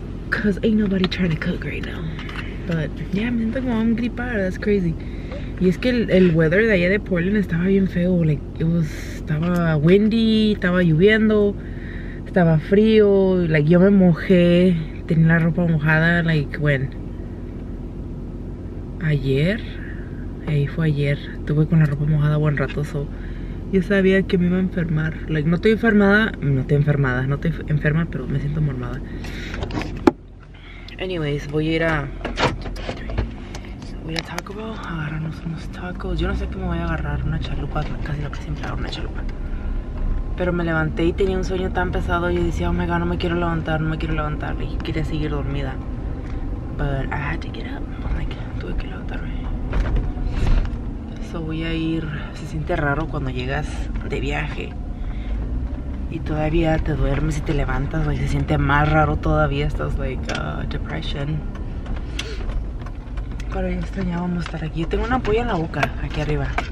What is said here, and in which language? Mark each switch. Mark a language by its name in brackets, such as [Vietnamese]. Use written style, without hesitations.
[English] Because ain't nobody trying to cook right now. [Spanish] But, yeah, me siento como gripada. [English] That's crazy. [Spanish] Y es que el weather de allá de Portland estaba bien feo. [English] Like, it was, [Spanish] estaba windy, estaba lloviendo, estaba frío. Like, yo me mojé, tenía la ropa mojada. [English] Like, when? [Spanish] Ayer. Ahí fue ayer, estuve con la ropa mojada buen rato, so yo sabía que me iba a enfermar. Like, no estoy enferma, pero me siento mormada. Anyways, voy a Taco Bell, agarrarnos unos tacos. Yo no sé qué me voy a agarrar, una chalupa, casi lo que siempre hago, una chalupa. Pero me levanté y tenía un sueño tan pesado, yo decía, [English] oh my god, [Spanish] no me quiero levantar, y quería seguir dormida. [English] But I had to get up, like, [Spanish] tuve que levantarme. So voy a ir, se siente raro cuando llegas de viaje y todavía te duermes y te levantas, like, se siente más raro todavía, estás like depression. Pero ya extrañábamos estar aquí. Yo tengo una ampolla en la boca, aquí arriba.